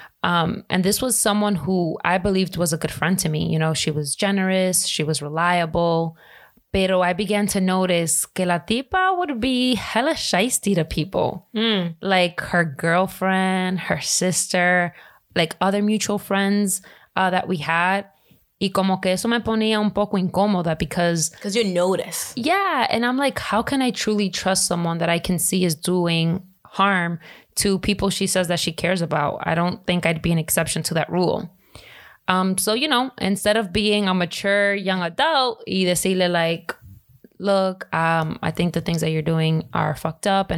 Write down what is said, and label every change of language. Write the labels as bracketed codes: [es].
[en] And this was someone who I believed was a good friend to me. You know, she was generous. She was reliable. [es] Pero [en] I began to notice [es] que la tipa [en] would be hella shiesty to people. Mm. Like her girlfriend, her sister, like other mutual friends that we had. [es] Y como que eso me ponía un poco incómoda [en] because you notice. Yeah. And I'm like, how can I truly trust someone that I can see is doing harm to people she says that she cares about? I don't think I'd be an exception to that rule. So, you know, instead of being a mature young adult [es] y decirle [en] like, look, I think the things that you're doing are fucked up.